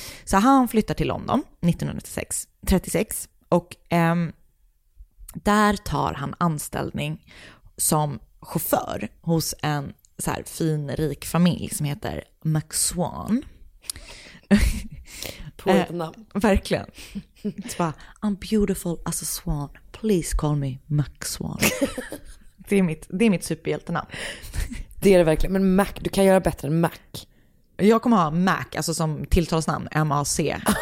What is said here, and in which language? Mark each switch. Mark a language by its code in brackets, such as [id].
[sv] Så han flyttar till London 1936, och där tar han anställning som chaufför hos en så här fin rik familj som heter McSwan. På ett namn. Verkligen. Så bara, [en] I'm beautiful as a swan. Please call me McSwan. [sv] Det är mitt superhjältenamn. Det är det verkligen. Men Mac, du kan göra bättre än Mac. Jag kommer ha Mac, alltså som tilltalsnamn, M-A-C.